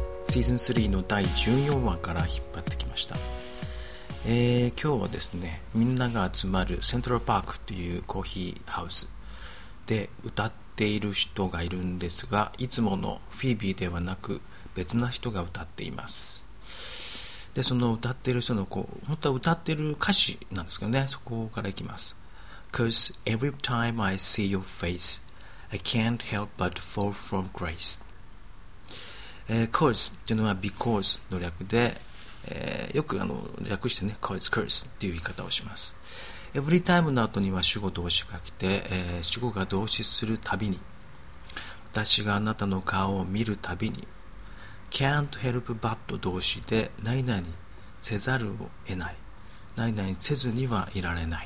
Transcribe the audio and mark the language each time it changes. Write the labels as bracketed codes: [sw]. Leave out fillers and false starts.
[ja] シーズン3の第14話から引っ張ってきました。今日はですね、みんなが集まるセントラルパークというコーヒーハウスで歌っている人がいるんですが、いつものフィービーではなく別な人が歌っています。で、その歌っている人のこう本当は歌っている歌詞なんですけどね、そこからいきます。 [en] Cause every time I see your face I can't help but fall from grace。 [ja] Cause というのは because の略で、よく略してね、 cause curse っていう言い方をします。 [en] Every time [ja] の後には主語動詞が来て、主語が動詞するたびに、私があなたの顔を見るたびに、 [en] Can't help but [ja] 動詞で何々せざるを得ない、何々せずにはいられない。